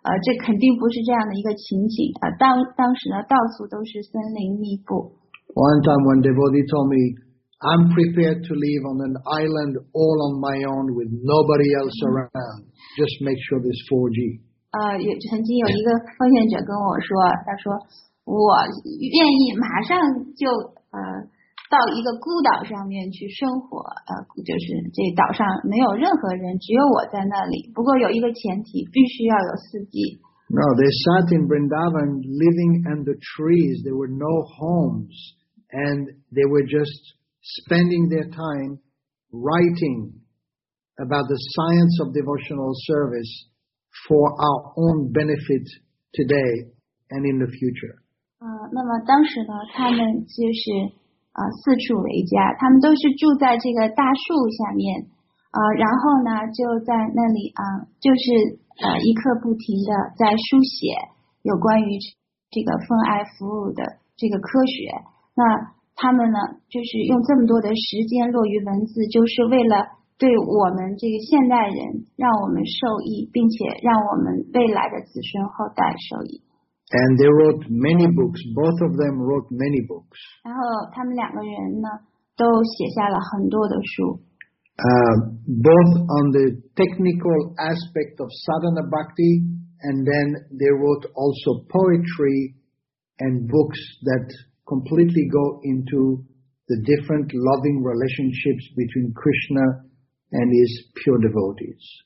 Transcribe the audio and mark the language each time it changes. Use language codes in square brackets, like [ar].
[zh] 这肯定不是这样的一个情景当时呢到处都是森林密布 [en] One time when devotee told me I'm prepared to live on an island all on my own with nobody else around just make sure there's 4G [zh] 曾经有一个奉献者跟我说他说我愿意马上就到一个孤岛上面去生活就是这岛上没有任何人只有我在那里不过有一个前提必须要有四季 [en] No, they sat in Vrindavan living under trees there were no homes and they were just spending their time writing about the science of devotional service for our own benefit today and in the future [zh] 那么当时呢他们就是四处为家他们都是住在这个大树下面然后呢就在那里就是一刻不停的在书写有关于这个奉爱服务的这个科学那他们呢就是用这么多的时间落于文字就是为了对我们这个现代人让我们受益并且让我们未来的子孙后代受益 [en] And they wrote many books. Both of them wrote many books. [zh] 然后他们两个人呢，都写下了很多的书。 [en] Both on the technical aspect of sadhana bhakti, and then they wrote also poetry and books that completely go into the different loving relationships between Krishna and his pure devotees.